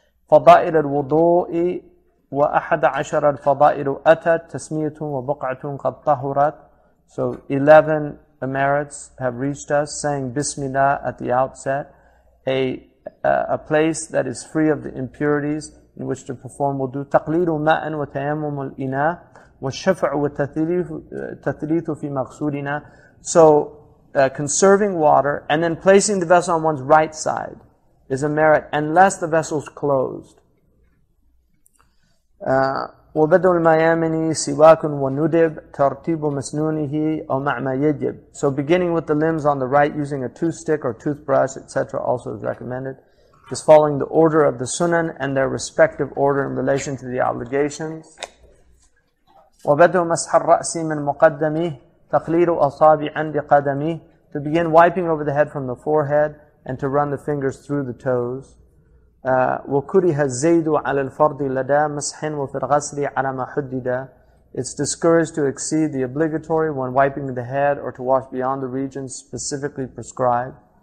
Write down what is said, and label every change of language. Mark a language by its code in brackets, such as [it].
[ar] فضائل الوضوء وأحد عشر الفضائل أتت تسمية وبقعة قد طهرت. [en] So 11 merits have reached us, saying Bismillah at the outset, a place that is free of the impurities in which to perform wudu. [ar] تقليل ماء وتيمم الإناء والشفع والتثليث في مغسولنا. [en] So conserving water and then placing the vessel on one's right side is a merit, unless the vessel's closed. [ar] وبدء الميامن سواك وندب ترتيب مسنونه أو مع ما يجب. [en] So beginning with the limbs on the right, using a toothstick or toothbrush, etc., also is recommended. Just following the order of the sunan and their respective order in relation to the obligations. [ar] وبدء مسح الرأس من مقدمه تقليل أصابع بقدمه. [en] To begin wiping over the head from the forehead, and to run the fingers through the toes. [ar] وَكُرِهَ الزَّيْدُ عَلَى الْفَرْضِ لَدَى مَسْحٍ وَفِي الْغَسْلِ عَلَى مَا حُدِّدَ. [en] It's discouraged to exceed the obligatory when wiping the head or to wash beyond the regions specifically prescribed.